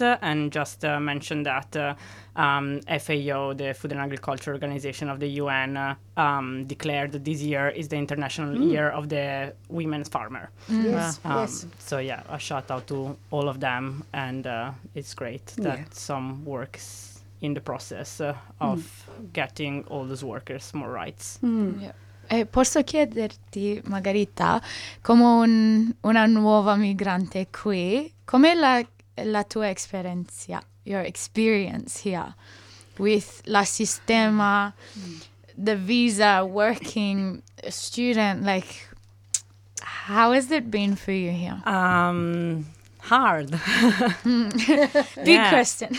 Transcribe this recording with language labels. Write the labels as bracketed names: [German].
[English] And just mention that FAO, the Food and Agriculture Organization of the UN, declared that this year is the International Year of the Women's Farmer. Yes. So yeah, a shout out to all of them, and it's great that some works in the process of getting all those workers more rights. [Italian] Posso chiederti, Margherita, come una nuova migrante qui, com'è la tua esperienza? [English] Your experience here with [Italian] la sistema, [English] the visa, working, student, like, how has it been for you here? Hard. Big question.